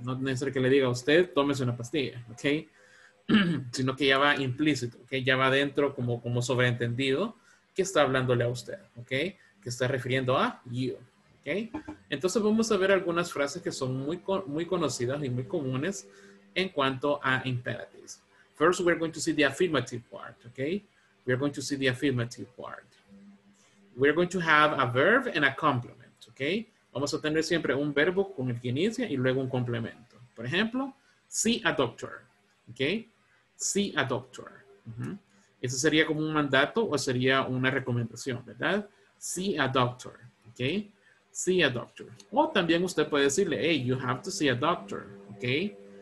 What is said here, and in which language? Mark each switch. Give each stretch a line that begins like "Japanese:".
Spanish: No es necesario que le diga a usted, tómese una pastilla, okay? Sino que ya va implícito, okay? Ya va dentro como sobreentendido, que está hablándole a usted, okay? Que está refiriendo a you. Okay. Entonces vamos a ver algunas frases que son muy, muy conocidas y muy comunes en cuanto a imperatives.
English: First, we're going to see the affirmative part, okay? We're going to see the affirmative part. We're going to have a verb and a complement, okay?
Spanish: Vamos a tener siempre un verbo con el que inicia y luego un complemento. Por ejemplo,
English: see a doctor, okay? See a doctor. Uh-huh.
Spanish: Eso sería como un mandato o sería una recomendación, ¿verdad?
English: See a doctor, okay? See a doctor.
Spanish: O también usted puede decirle,
English: hey, you have to see a doctor, okay?